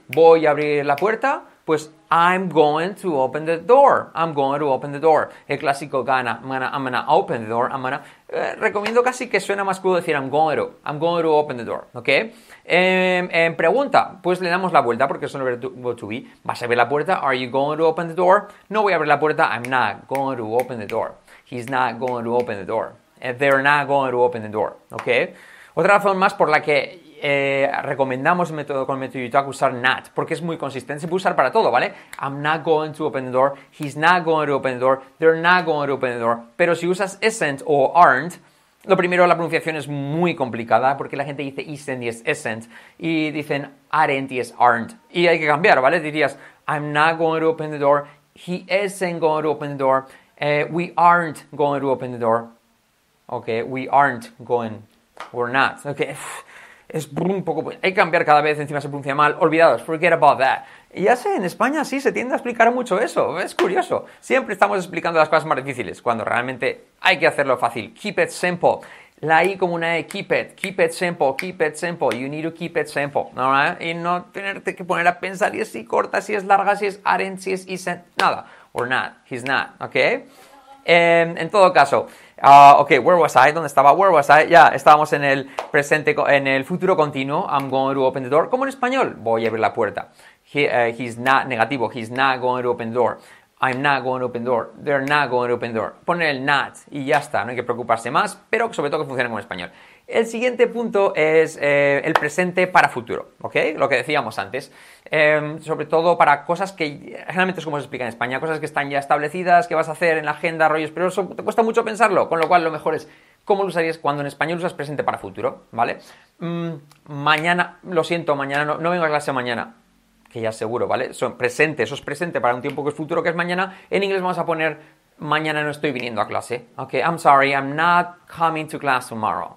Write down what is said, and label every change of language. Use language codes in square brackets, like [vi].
[es] Voy a abrir la puerta, pues [en] I'm going to open the door. I'm going to open the door. [es] El clásico gana, [en] I'm gonna open the door. I'm gonna. [es] Recomiendo casi que suena más cool decir [en] I'm going to open the door. [es] ¿Ok? Pregunta, pues le damos la vuelta porque es un verbo to be. Vas a abrir la puerta, [en] are you going to open the door? [es] No voy a abrir la puerta, [en] I'm not going to open the door. He's not going to open the door. They're not going to open the door. ¿Ok? [es] Otra razón más por la que recomendamos el método con el método Utah usar not, porque es muy consistente, se puede usar para todo, ¿vale? [en] I'm not going to open the door, he's not going to open the door, they're not going to open the door. [es] Pero si usas isn't o aren't, lo primero, la pronunciación es muy complicada porque la gente dice isn't y es isn't y dicen aren't y es aren't. Y hay que cambiar, ¿vale? Dirías, [en] I'm not going to open the door, he isn't going to open the door, we aren't going to open the door. Ok, we aren't going, we're not. [es] Ok, es un poco, hay que cambiar cada vez, encima se pronuncia mal. Olvidados, [en] forget about that. [es] Y ya sé, en España sí se tiende a explicar mucho eso, es curioso. Siempre estamos explicando las cosas más difíciles, cuando realmente hay que hacerlo fácil. [en] Keep it simple. [es] La I como una E, [en] keep it simple, keep it simple. You need to keep it simple, [es] ¿no? Y no tenerte que poner a pensar si es corta, si es larga, si es aren't, si es isn't, nada. [en] We're not, he's not, ¿ok? En todo caso, ok, where was I? [es] ¿Dónde estaba? [en] Where was I? [es] Ya, estábamos en el presente, en el futuro continuo. [en] I'm going to open the door. [es] ¿Cómo en español? Voy a abrir la puerta. [en] He's not, negativo, he's not going to open the door. I'm not going to open the door. They're not going to open the door. [es] Poner el not y ya está, no hay que preocuparse más, pero sobre todo que funcione con español. El siguiente punto es el presente para futuro, ¿ok? Lo que decíamos antes. Sobre todo para cosas que, generalmente es como se explica en España, cosas que están ya establecidas, que vas a hacer en la agenda, rollos, pero eso te cuesta mucho pensarlo, con lo cual lo mejor es cómo lo usarías cuando en español usas presente para futuro, ¿vale? Mañana, lo siento, mañana no vengo a clase mañana. Que ya seguro, ¿vale? Son presentes, eso es presente para un tiempo que es futuro, que es mañana. En inglés vamos a poner, mañana no estoy viniendo a clase. [en] Ok, I'm sorry, I'm not coming to class tomorrow.